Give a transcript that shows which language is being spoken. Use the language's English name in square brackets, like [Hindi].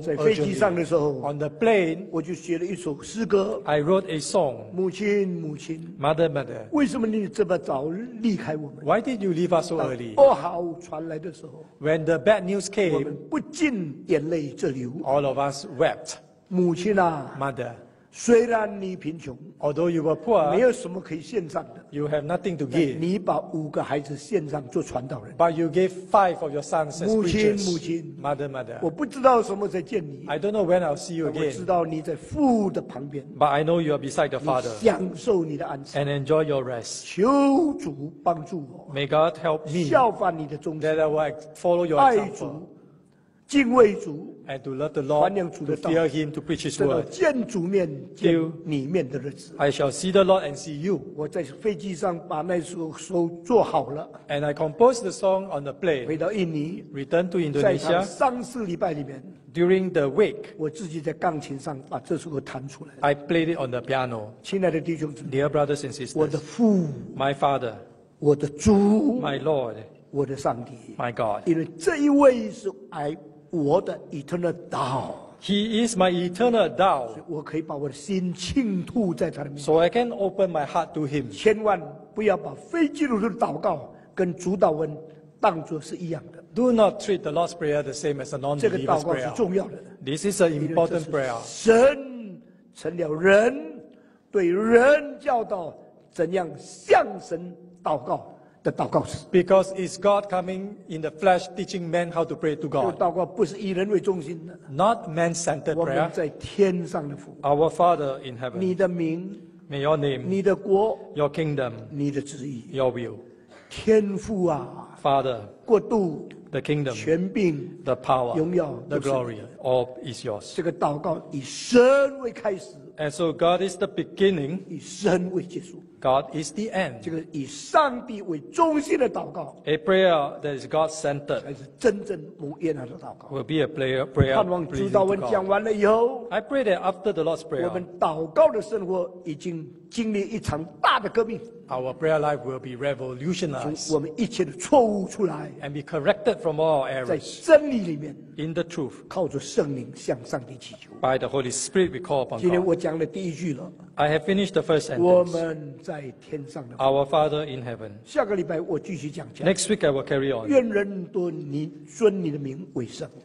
[Chinese] 在飞机上的时候 [English] ，on the plane， [Chinese] 我就写了一首诗歌。 [English] I wrote a song. [Chinese] 母亲，母亲 [English] ，Mother, Mother， [Chinese] 为什么你这么早离开我们 [English] ？Why did you leave us so early？ [Chinese] 不好传来的时候 [English] ，When the bad news came， [Chinese] 我们不禁眼泪直流。 [English] All of us wept. [Chinese] 母亲啊 [English] ，Mother， [Chinese] 虽然你贫穷 [English] ，although you were poor， [Chinese] 没有什么可以献上的。 [English] You have nothing to give. [Chinese] 你把5个孩子献上做传道人。 [English] But you gave 5 of your sons as preachers. [Chinese] 母亲，母亲 [English] ，Mother, Mother. [Chinese] 我不知道什么时候见你。 [English] I don't know when I'll see you again. [Chinese] 我知道你在父的旁边。 [English] But I know you are beside the Father. [Chinese] 你享受你的安息。 [English] And enjoy your rest. [Chinese] 求主帮助我。 [English] May God help me. [Chinese] 效法你的忠心。 [English] That I will follow your example. [Chinese] 爱主，敬畏主。 [English] And to love the Lord, [Chinese] 传扬主的道 [English] to fear him, to preach his word. [Chinese] 见主面，见你面的日子。 [English] I shall see the Lord and see you. [Chinese] 我在飞机上把那首做好了。 [English] And I composed the song on the plane. [Chinese] 回到印尼 [English] ，return to Indonesia. [Chinese] 在3-4个礼拜里面 [English] ，during the week， [Chinese] 我自己在钢琴上把这首歌弹出来。 [English] I played it on the piano. [Chinese] 亲爱的弟兄姊妹 [English] ，dear brothers and sisters， [Chinese] 我的父 [English] ，my father， [Chinese] 我的主 [English] ，my Lord， [Chinese] 我的上帝 [English] ，my God， [Chinese] 因为这一位是 I。我的 eternal 道 [English] ，He is my eternal 道， [Chinese] 所以我可以把我的心倾吐在他的面前。 [English] So I can open my heart to Him。 [Chinese] 千万不要把非基督徒的祷告跟主祷文当作是一样的。 [English] Do not treat the Lord's prayer the same as a non-believer's prayer。 [Chinese] 这个祷告是重要的。 [English] This is an important prayer。 [Chinese] 神成了人，对人教导怎样向神祷告。 [English] Because it's God coming in the flesh, teaching men how to pray to God. [Chinese] 祷告不是以人为中心的。 [English] Not man-centered prayer. [Chinese] 我们在天上的父。 [English] Our Father in heaven. [Chinese] 你的名。 [English] May your name. [Chinese] 你的国。 [English] Your kingdom. [Chinese] 你的旨意。 [English] Your will. [Chinese] 天父啊。 [English] Father. [Chinese] 国度。 [English] The kingdom. [Chinese] 权柄。 [English] The power. [Chinese] 荣耀。 [English] The glory. All is yours. [Chinese] 这个祷告以神为开始。 [English] And so God is the beginning. [Chinese] 以神为结束。 [English] God is the end. [Chinese] 这个以上帝为中心的祷告 [English] ，a prayer that is God-centered， [Chinese] 才是真正蒙悦纳的祷告。 [English] Will be a prayer, prayer. [Chinese] 盼望主祷文讲完了以后 [English] ，I pray that after the Lord's prayer， [Chinese] 我们祷告的生活已经经历一场大的革命。 [English] Our prayer life will be revolutionized. [Chinese] 从我们一切的错误出来 [English] ，and be corrected from all errors. [Chinese] 在真理里面 [English] ，in the truth， [Chinese] 靠着圣灵向上帝祈求。 [English] By the Holy Spirit, we call upon God. [Chinese] 今天我讲了第一句了。 [English] I have finished the first sentence. [Chinese] 我们在天上的。 [English] Our Father in heaven. [Chinese] 下个礼拜我继续讲。 [English] Next week I will carry on. [Chinese] 愿人多你尊你的名为圣。